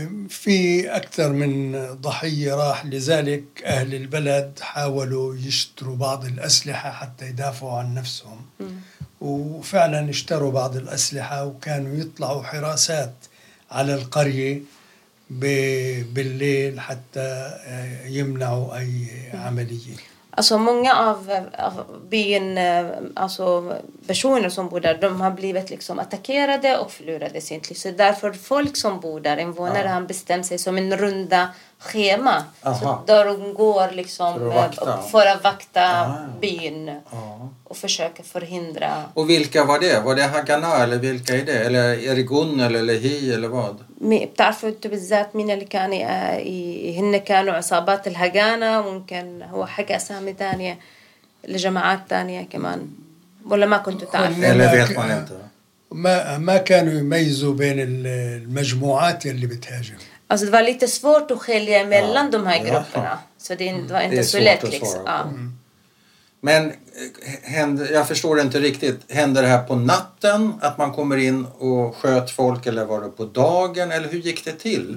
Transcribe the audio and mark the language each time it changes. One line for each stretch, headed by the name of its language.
Arabic: في اكثر من ضحيه راح لذلك اهل البلد حاولوا يشتروا بعض الاسلحه حتى يدافعوا عن نفسهم وفعلا اشتروا بعض الاسلحه وكانوا يطلعوا حراسات على القريه بالليل حتى يمنعوا اي عمليه.
Swedish: Alltså många av byn, alltså personer som bor där, de har blivit liksom attackerade och förlorade sin liv. Så därför folk som bor där, invånare, han bestämt sig som en runda schema. Så där de går liksom för att vakta byn och försöka förhindra. Och vilka var det? Var det Haganah eller vilka är det? Eller Ergun eller Lehi eller vad?
Arabic: بتعرفوا انتوا بالذات مين اللي كان هن كانوا عصابات الهجانه ممكن هو حكى اسامي ثانيه لجماعات ثانيه كمان ولا ما كنتوا تعرفوا ما كانوا يميزوا بين المجموعات اللي بتهاجم
Swedish: alltså det var lite svårt att skilja mellan de här grupperna så det var inte så lätt liksom. Men jag förstår det inte riktigt. Hände det här på natten att man kommer in och sköt folk eller var det på dagen eller hur gick det till?